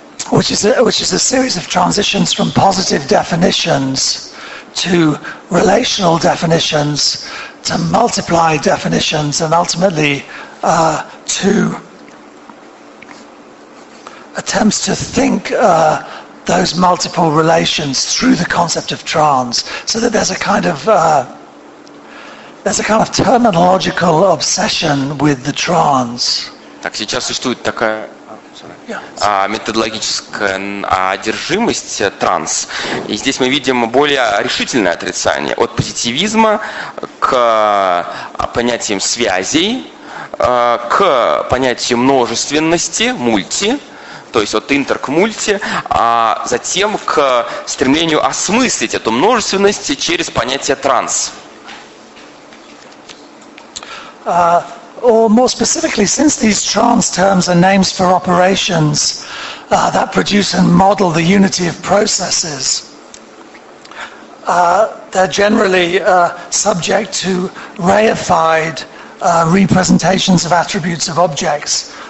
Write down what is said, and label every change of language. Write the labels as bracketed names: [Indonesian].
[English] which is a series of transitions from positive definitions to relational definitions to multiply definitions and ultimately to attempts to think those multiple relations through the concept of trans, so that there's a kind of terminological obsession with the trans. [Russian] Так сейчас существует такая методологическая одержимость транс. И здесь мы видим более решительное отрицание от позитивизма к понятиям связей, к понятию множественности, мульти. То есть от интер к мульти, а затем к стремлению осмыслить эту множественность через понятие транс. [English] Or more specifically, since these trans terms are names for operations that produce and model the unity of processes, they're generally subject to reified representations of attributes of objects.